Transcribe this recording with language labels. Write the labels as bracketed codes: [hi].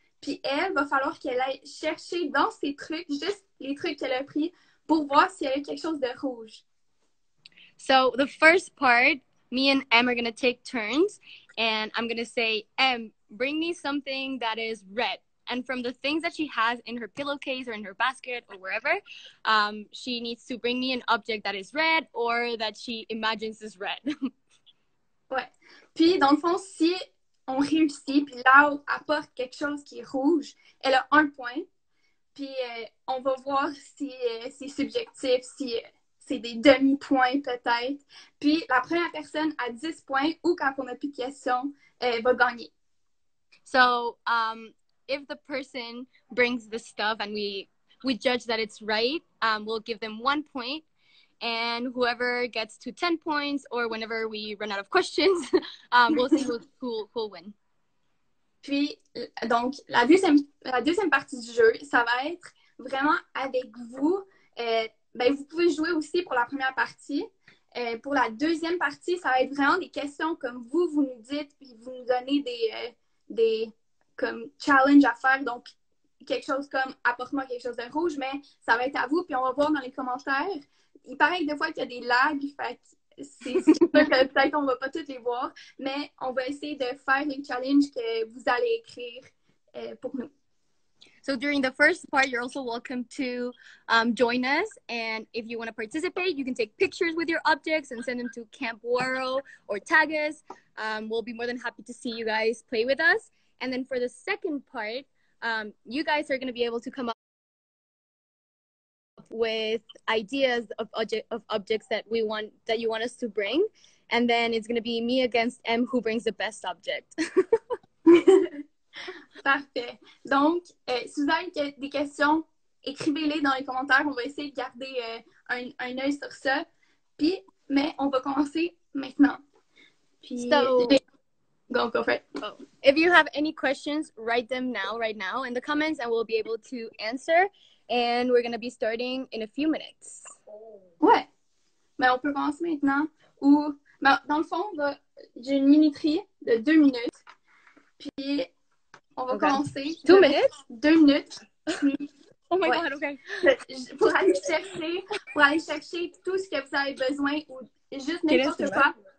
[fr] Puis elle, va falloir qu'elle aille chercher dans ses trucs, juste les trucs qu'elle a pris, pour voir s'il y avait quelque chose de rouge. [en] So, the first part, me and Em are going to take turns, and I'm going to say, Em, bring me something that is red. And from the things that she has in her pillowcase or in her basket or wherever, she needs to bring me an object that is red or that she imagines is red. [fr] Ouais. Puis, dans le fond, si on réussit, puis Lau apporte quelque chose qui est rouge, elle a un point. Puis, on va voir si c'est subjectif, si c'est des demi-points peut-être. Puis, la première personne à 10 points ou quand on n'a plus de questions, va gagner. [en] So, if the person brings the stuff and we judge that it's right, we'll give them 1 point. And whoever gets to 10 points or whenever we run out of questions, we'll see who'll win. [fr] Puis, donc, la deuxième partie du jeu, ça va être vraiment avec vous. Ben, vous pouvez jouer aussi pour la première partie. Pour la deuxième partie, ça va être vraiment des questions comme vous nous dites, puis vous nous donnez des comme challenge à faire, donc quelque chose comme apporte-moi quelque chose de rouge, mais ça va être à vous, puis on va voir dans les commentaires. Il paraît que des fois qu'il y a des lags, fait que c'est sûr que peut-être on va pas toutes les voir, mais on va essayer de faire les challenges que vous allez écrire pour nous. [en] So during the first part, you're also welcome to join us. And if you want to participate, you can take pictures with your objects and send them to Camp Waro or tag us. We'll be more than happy to see you guys play with us. And then for the second part, you guys are going to be able to come up with ideas of objects that you want us to bring. And then it's going to be me against M who brings the best object. [fr] Parfait. Donc, si vous avez des questions, écrivez-les dans les commentaires. On va essayer de garder un œil sur ça. Puis, mais on va commencer maintenant. Puis, so... [en] Go for it. Oh. If you have any questions, write them now, right now, in the comments, and we'll be able to answer. And we're going to be starting in a few minutes. [fr] Ouais. Mais on peut commencer maintenant. Ou, mais dans le fond, là, j'ai une minuterie de 2 minutes. Puis, on va commencer. [en] 2 minutes? 2 minutes. Oh my God, okay. [fr] Pour aller chercher tout ce que vous avez besoin, ou juste n'importe quoi.